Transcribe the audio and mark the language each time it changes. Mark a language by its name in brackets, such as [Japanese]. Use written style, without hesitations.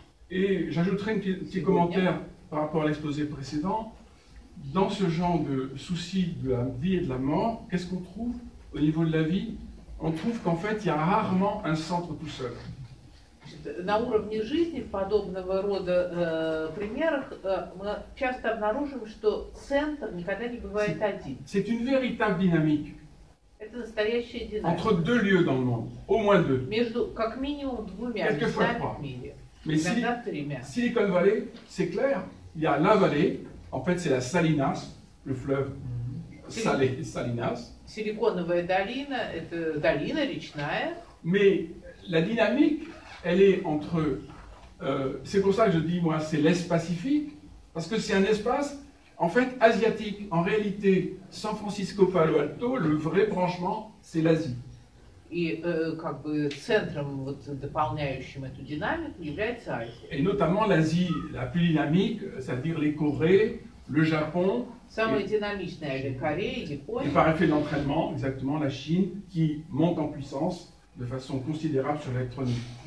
[French] et j'ajouterai un petit commentaire par rapport à l'exposé précédent. Dans ce genre de soucis de la vie et de la mort, qu'est-ce qu'on trouve au niveau de la vie? On trouve qu'en fait, il y a rarement un centre tout seul. [Russian] На уровне жизни в подобного рода примерах мы часто обнаруживаем, что центр никогда не бывает один. [French] C'est une véritable dynamique. [Russian] Это настоящая динамика. [French] Entre deux lieux dans le monde, au moins deux. [Russian] Между как минимум двумя местами в мире. Иногда тремя. [French] Silicon Valley, c'est clair. Il y a la vallée. En fait, c'est la Salinas, le fleuve Salinas. [Russian] Силиконовая долина – это долина речная. [French] Mais la dynamique. Elle est entre, c'est pour ça que je dis moi, c'est l'Est Pacifique, parce que c'est un espace en fait asiatique. En réalité, San Francisco, Palo Alto, le vrai branchement, c'est l'Asie. Et [Russian] как бы центром вот дополняющим эту динамику является Азия. [French] Et notamment l'Asie la plus dynamique, c'est-à-dire les Corées, Le Japon, Corée, Japon, et par effet d'entraînement, exactement, la Chine qui monte en puissance de façon considérable sur l'électronique.